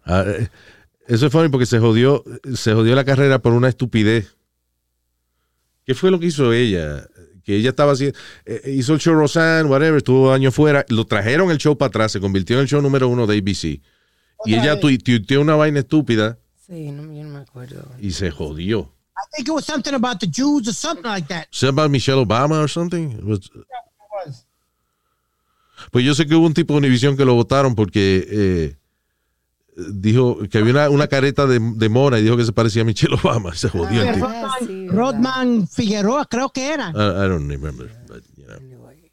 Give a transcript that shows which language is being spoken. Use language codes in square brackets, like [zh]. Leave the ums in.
[es] Uh, eso es funny porque se jodió, se jodió la carrera por una estupidez. ¿Qué fue lo que hizo ella? que ella estaba haciendo, eh, hizo el show Rosanne, whatever, estuvo año fuera, lo trajeron el show para atrás, se convirtió en el show número uno de ABC. Hola, y ella hey. tuiteó tu, tu, una vaina estúpida. Sí, no, yo no, me acuerdo. Y se jodió. [en] I think it was something about the Jews or something like that. Something about Michelle Obama or something? It was... yeah, it was. [es] Pues yo sé que hubo un tipo de Univision que lo votaron porque. Eh, dijo que había una, una careta de, de Mona y dijo que se parecía a Michelle Obama. Rodman Figueroa, creo que era. [en] I, don't remember. But, you know.